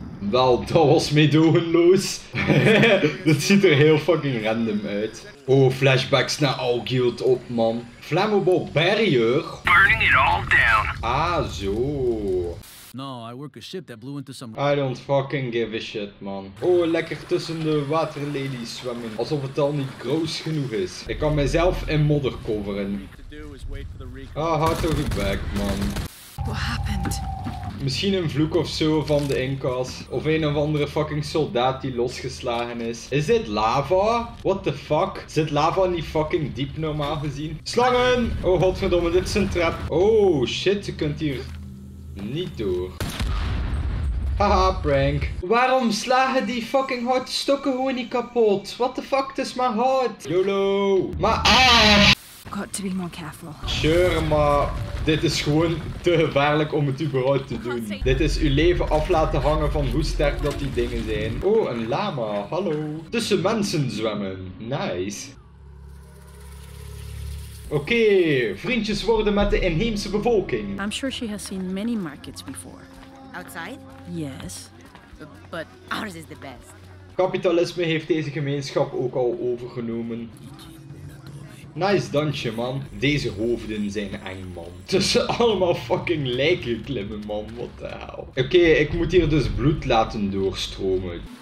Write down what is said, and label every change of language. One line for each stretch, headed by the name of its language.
Dutch: Wel, dat was meedogenloos. Dat ziet er heel fucking random uit. Oh, flashbacks naar Algield op, man.
English: Flammable barrier? Burning it all down. Ah, zo. No, I work a ship that blew into some... I don't fucking give a shit, man.
Dutch: Oh, lekker tussen de waterlelies zwemmen. Alsof het al niet groot genoeg is. Ik kan mezelf in modder coveren.
English: Ah, hard to get back, man. What happened?
Dutch: Misschien een vloek of zo van de Inca's. Of een of andere fucking soldaat die losgeslagen is. Is dit lava?
English: What the fuck?
Dutch: Zit lava niet fucking diep normaal gezien? Slangen! Oh godverdomme, dit is een trap. Oh shit, je kunt hier niet door. Haha, prank. Waarom slagen die fucking houten stokken gewoon niet kapot?
English: What the fuck,
Dutch: het is maar hout.
English: YOLO. Maar ah! Got to be more careful. Sure, maar...
Dutch: Dit is gewoon te gevaarlijk om het überhaupt te doen. Dit is uw leven af laten hangen van hoe sterk dat die dingen zijn. Oh, een lama. Hallo. Tussen mensen zwemmen. Nice. Oké, okay, vriendjes worden met de inheemse bevolking.
English: I'm sure she has seen many markets before. Outside? Yes. But ours is the best.
Dutch: Kapitalisme heeft deze gemeenschap ook al overgenomen. Nice dansje, man. Deze hoofden zijn eng, man. Tussen allemaal fucking lijken klimmen, man.
English: What the hell.
Dutch: Oké, ik moet hier dus bloed laten doorstromen.